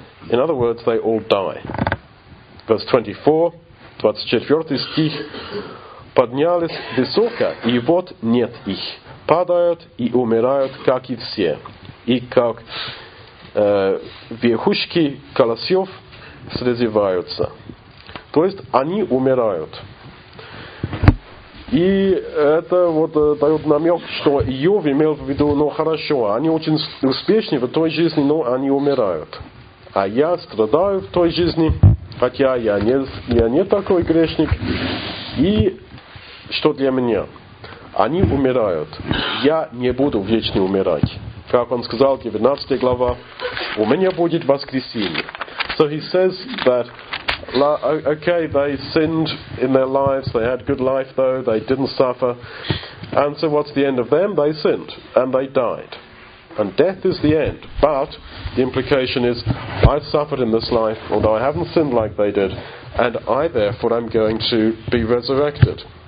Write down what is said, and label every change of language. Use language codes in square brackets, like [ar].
[en] In other words, they all die. Verse 24, [ru] 24 стих, поднялись высоко, и вот нет их. Падают и умирают, как и все. И как верхушки колосьев срезываются. То есть они умирают. И это вот дает намек, что Иов имел в виду, ну хорошо, они очень успешны в той жизни, но они умирают. А я страдаю в той жизни, хотя я не такой грешник. И что для меня? Они умирают. Я не буду вечно умирать. Как он сказал, 19 глава, у меня будет воскресенье. [en] So he says that, okay, they sinned in their lives, they had good life though, they didn't suffer. And so what's the end of them? They sinned, and they died. And death is the end, but the implication is, I've suffered in this life, although I haven't sinned like they did, and I therefore am going to be resurrected.